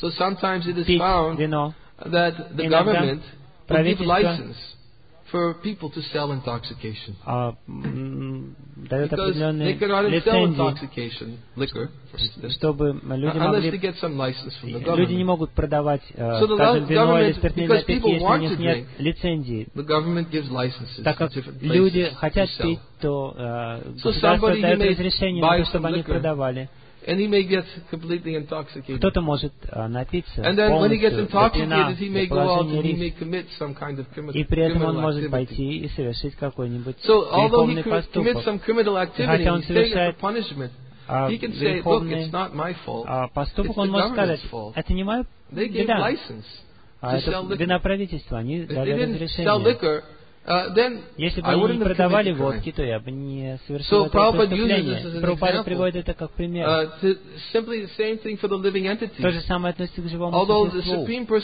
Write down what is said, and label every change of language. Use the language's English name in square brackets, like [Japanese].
[English] So sometimes it is found that the government will give license for people to sell intoxication. Because they cannot sell intoxication liquor, for instance, unless they get some license from the government. [Russian] Люди не могут продавать, скажем, вино или спиртные напитки, если у них нет лицензии. [English] The government gives licenses. [Russian] Так как люди хотят пить, то государство дает разрешение, чтобы они продавали. [English] And he may get completely intoxicated. [Russian] Кто-то может напиться. [English] And then when he gets intoxicated, he may go out and he may commit some kind of criminal activity. [Russian] И при этом он может пойти и совершить какой-нибудь греховный поступок. [English] So although he commits some criminal activity, he's taking the punishment. He can say, "Look, it's not my fault." [Russian] Поступок он может сказать: это не моя беда. [English] They gave license to sell liquor. [Russian] Вина правительства, они дали разрешение. Если бы они не продавали водки, то я бы не совершил это преступление. Прабхупада приводит это как пример. То же самое относится к живому существу.